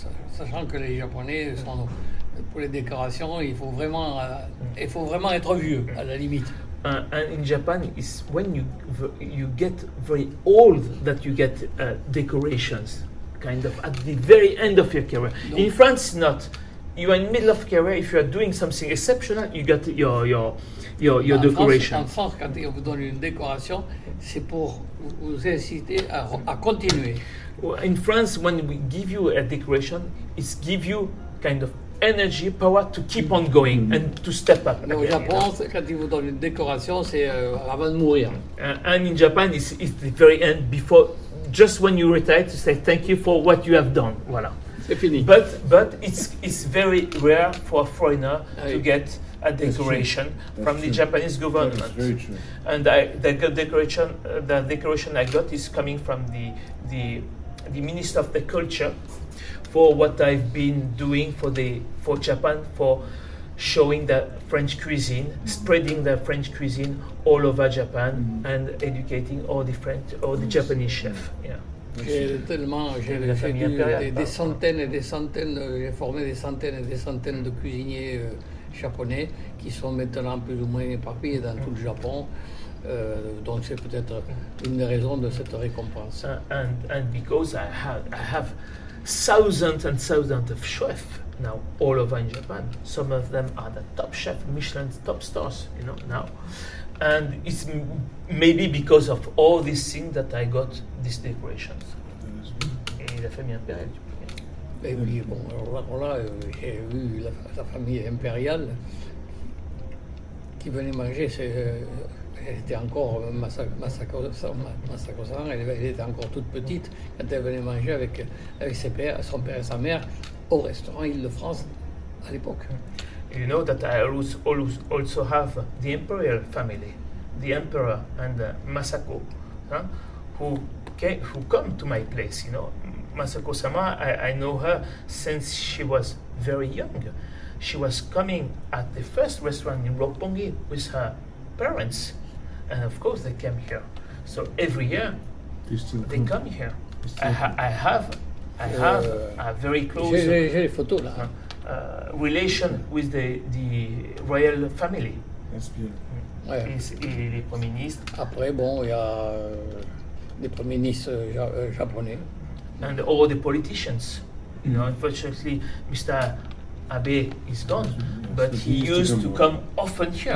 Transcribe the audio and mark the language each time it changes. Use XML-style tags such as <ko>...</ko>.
<fr>sachant que les Japonais sont pour les décorations il faut vraiment être vieux à la limite.</fr> <en>And in Japan, it's when you get very old that you get decorations, kind of at the very end of your career. Donc, in France, not. You are in the middle of career. If you are doing something exceptional, you get your decoration.</en> <fr>En France, quand ils vous donnent une décoration, c'est pour vous inciter à continuer.</fr> <en>In France, when we give you a decoration, it's give you kind of energy, power to keep on going and to step up.</en> <fr>Au Japon, quand ils vous donnent une décoration, c'est avant de mourir.</fr> <en>And in Japan, it's the very end before, just when you retire, to say thank you for what you have done.</en> <fr>Voilà. C'est fini.</fr> <en>But it's very rare for a foreigner to get a decoration from the Japanese government. That's very true. And the decoration I got is coming from the Minister of the Culture for what I've been doing for Japan, for showing the French cuisine, spreading the French cuisine all over Japan, and educating all the Japanese chefs. Yeah.</en> <fr>J'ai fait des centaines et des centaines, j'ai formé des centaines et des centaines de cuisiniers japonais qui sont maintenant plus ou moins éparpillés dans tout le Japon. Donc c'est peut-être une des raisons de cette récompense.</fr> <en>And because I have thousands and thousands of chefs now all over in Japan. Some of them are the top chefs, Michelin top stars, you know, now. And it's maybe because of all these things that I got these decorations.</en> <fr>Et la famille impériale. Et oui, bon, alors là, j'ai vu la famille impériale qui venait manger. Elle était encore Masako-san, elle était encore toute petite quand elle venait manger avec ses pères, son père et sa mère au restaurant Île-de-France à l'époque.</fr> <en>You know that I also have the imperial family, the emperor and Masako, who come to my place. You know, Masako Sama, I know her since she was very young. She was coming at the first restaurant in Roppongi with her parents. And of course, they came here. So every year, they come here. I have a very close relation with the royal family. That's beautiful.</en> <fr>Et les premiers ministres. Après, bon, il y a des premiers ministres japonais.</fr> <en>And all the politicians. You know, unfortunately, Mr. Abe is gone, but he used to come often here.</en>